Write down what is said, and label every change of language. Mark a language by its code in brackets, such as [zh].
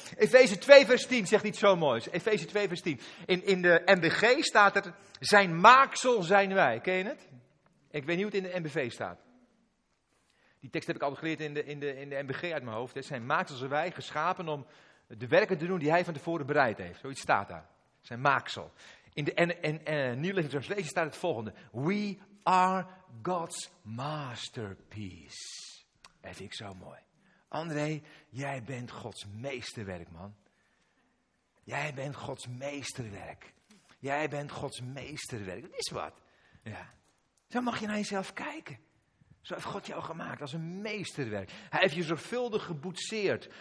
[nl] Efeze 2 vers 10 zegt iets zo moois. Efeze 2 vers 10. In de NBG staat er, zijn maaksel zijn wij. Ken je het? Ik weet niet hoe het in de NBV staat. Die tekst heb ik altijd geleerd in de NBG uit mijn hoofd. Hè. Zijn maaksel zijn wij, geschapen om de werken te doen die hij van tevoren bereid heeft. Zoiets staat daar. Zijn maaksel. In de Nieuwe Living Translation staat het volgende. [en] We are God's masterpiece. [nl] Dat vind ik zo mooi. André, jij bent Gods meesterwerk, man. Jij bent Gods meesterwerk. Jij bent Gods meesterwerk. Dat is wat. Ja. Zo mag je naar jezelf kijken. Zo heeft God jou gemaakt als een meesterwerk. Hij heeft je zorgvuldig geboetseerd.